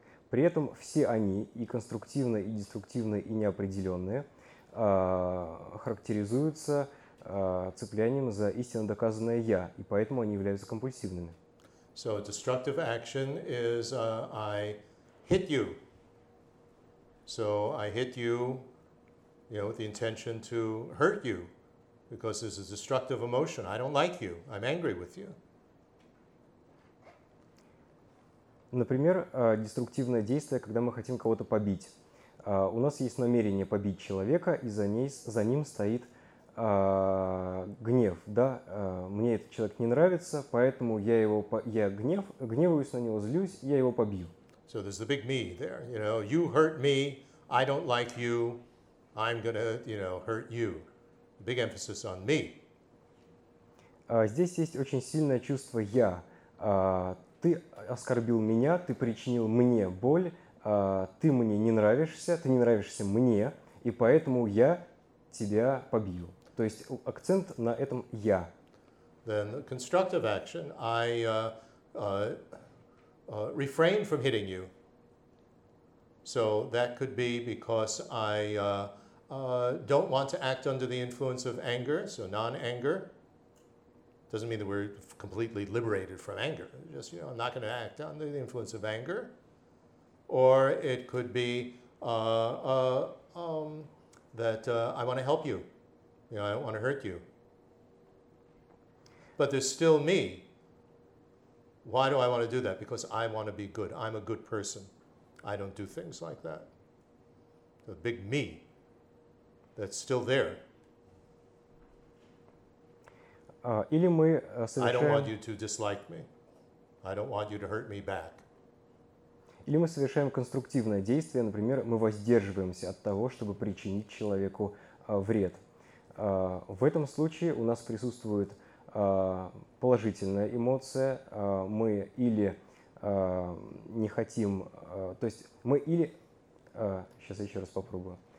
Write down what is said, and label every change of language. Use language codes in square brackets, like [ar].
[ru] При этом все они, и конструктивные, и деструктивные, и неопределенные, характеризуются цеплянием за истинно доказанное «я», и поэтому они являются компульсивными. [en] So a destructive action is I hit you. So I hit you, you know, with the intention to hurt you because this is a destructive emotion. I don't like you. I'm angry with you. [ru] Например, деструктивное действие, когда мы хотим кого-то побить. У нас есть намерение побить человека, и за ним стоит гнев, да, мне этот человек не нравится, поэтому я гневаюсь на него, злюсь, я его побью. [en] So there's the big me there, you know, you hurt me, I don't like you, I'm gonna, you know, hurt you. Big emphasis on me. [ru] Здесь есть очень сильное чувство «я». Ты оскорбил меня, ты причинил мне боль, ты мне не нравишься, ты не нравишься мне, и поэтому я тебя побью. То есть акцент на этом «я». [en] Then the constructive action, I refrain from hitting you. So that could be because I don't want to act under the influence of anger, so non-anger. Doesn't mean that we're completely liberated from anger. Just, you know, I'm not going to act under the influence of anger. Or it could be I want to help you. You know, I don't want to hurt you. But there's still me. Why do I want to do that? Because I want to be good. I'm a good person. I don't do things like that. The big me that's still there. I don't want you to dislike me. I don't want you to hurt me back. [ru] Или мы совершаем конструктивное действие, например, мы воздерживаемся от того, чтобы причинить человеку вред. В этом случае у нас присутствует положительная эмоция. Мы или не хотим, то есть мы или... Сейчас я еще раз попробую.